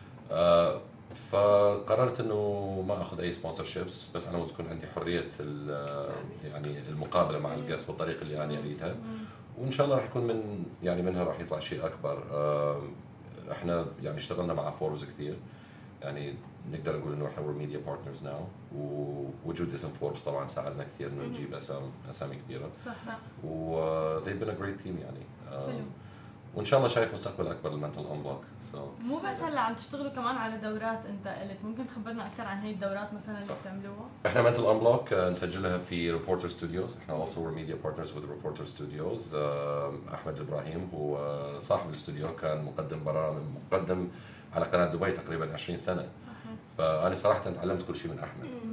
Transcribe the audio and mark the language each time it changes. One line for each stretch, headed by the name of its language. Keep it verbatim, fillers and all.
Arabic: آه فقررت إنه ما أخذ أي سبونسر شيبس، بس أنا تكون عندي حرية يعني المقابلة مع الجست بالطريقة اللي أنا أريدها، وإن شاء الله راح يكون من يعني منها راح يطلع شيء أكبر. آه احنا يعني اشتغلنا مع فوربس كثير، يعني نقدر نقول انه احنا
English: we're media partners now،
Arabic: ووجود اسم فوربس طبعا ساعدنا كثير انه نجيب اسام اسامي كبيره. صح صح.
English: و they've been a great team يعني.
Arabic: حلو. وان شاء الله شايف مستقبل اكبر للمنتل انبلوك.
English: so
Arabic: مو بس هلا عم تشتغلوا كمان على دورات، انت قلت ممكن تخبرنا اكثر عن هي الدورات مثلا اللي بتعملوها؟ احنا منتل انبلوك نسجلها في ريبورتر ستوديوز، احنا
English: also we're media partners with
Arabic: ريبورتر ستوديوز. احمد ابراهيم هو صاحب الاستوديو، كان مقدم برامج مقدم على قناه دبي تقريبا عشرين سنة، فانا صراحه تعلمت كل شيء من احمد.